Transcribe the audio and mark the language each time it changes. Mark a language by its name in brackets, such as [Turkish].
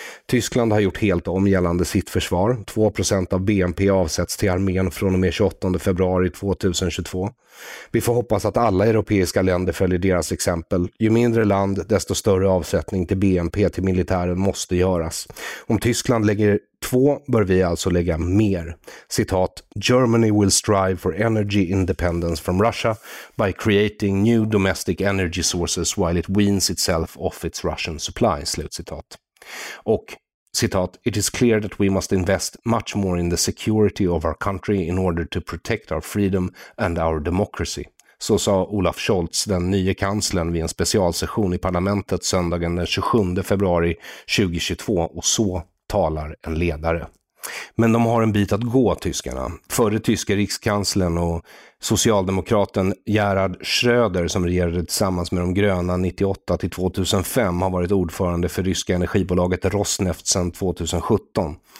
[Swedish] Tyskland har gjort helt om gällande sitt försvar. 2% av BNP avsätts till armén från och med 28 februari 2022. Vi får hoppas att alla europeiska länder följer deras exempel. Ju mindre land, desto större avsättning till BNP till militären måste göras. Om Tyskland lägger 2 bör vi alltså lägga mer. Citat: [English] Germany will strive for energy independence from Russia by creating new domestic energy sources while it weans itself off its Russian supply. [Swedish] Slutcitat. Och citat: [English] it is clear that we must invest much more in the security of our country in order to protect our freedom and our democracy. [Swedish] Så sa Olaf Scholz, den nya kanslern, vid en specialsession i parlamentet söndagen den 27 februari 2022, och så talar en ledare. Men de har en bit att gå, tyskarna. Före tyska rikskanslern och socialdemokraten Gerhard Schröder, som regerade tillsammans med de gröna 98-2005, har varit ordförande för ryska energibolaget Rosneft sedan 2017.